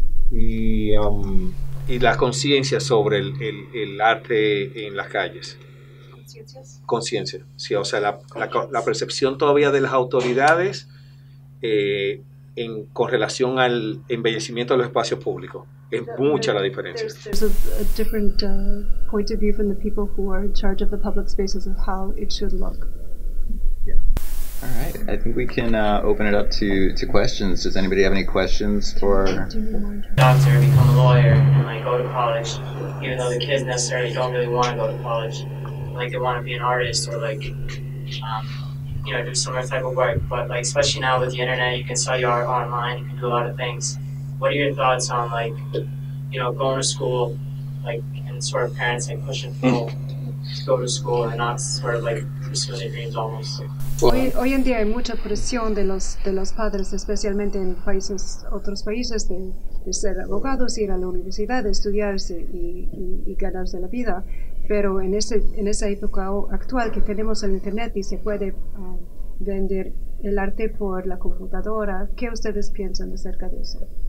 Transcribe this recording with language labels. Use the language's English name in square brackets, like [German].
[Spanish] Y la conciencia sobre el arte en las calles. Conciencia. Conciencia. Sí, o sea, la percepción todavía de las autoridades en correlación al embellecimiento de los espacios públicos. Es mucha la diferencia. [English] There's a different point of view from the people who are in charge of the public spaces of how it should look. All right, I think we can open it up to questions. Does anybody have any questions for... ...doctor, become a lawyer, and like go to college, even though the kids necessarily don't really want to go to college. Like they want to be an artist or like, you know, do some other type of work. But like, especially now with the internet, you can sell your art online, you can do a lot of things. What are your thoughts on like, you know, going to school, like, and sort of parents like pushing people to go to school and not sort of like pursue their dreams almost? [Spanish] Hoy en día hay mucha presión de los padres, especialmente en otros países, de ser abogados, ir a la universidad, estudiarse y ganarse la vida. Pero en esa época actual que tenemos el internet y se puede vender el arte por la computadora, ¿qué ustedes piensan acerca de eso?